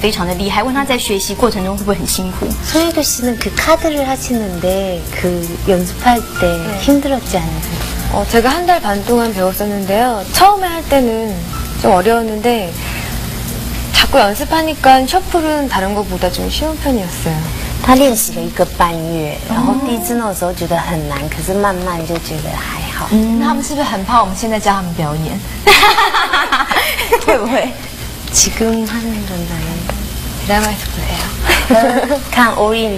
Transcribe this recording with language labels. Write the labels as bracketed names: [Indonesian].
[Chinese] 对，没错。可是他们去纽约的时候，他都教他怎么赌博这样。哦，他亲自教他。哦，真的。那宋慧乔小姐因为拍这部戏，是不是洗牌功力变强？对啊，就是那些所有的手法都看起来非常的厉害。问他在学习过程中会不会很辛苦？所以就 [Korean] 씨는 그 카드를 하시는데 그 연습할 때 힘들었지 않나요? 제가 한 달 반 동안 배웠었는데요. 처음에 할 때는 좀 어려웠는데. 자꾸 연습하니까 셔플은 다른 것보다 좀 쉬운 편이었어요. [Chinese] 他练习了一个半月，然后第一次的时候觉得很难，可是慢慢就觉得还好。他们是不是很怕我们现在教他们表演？对不对？ [Korean] 지금 하는 건가요? 드라마 할 거예요. [Chinese] 看 all in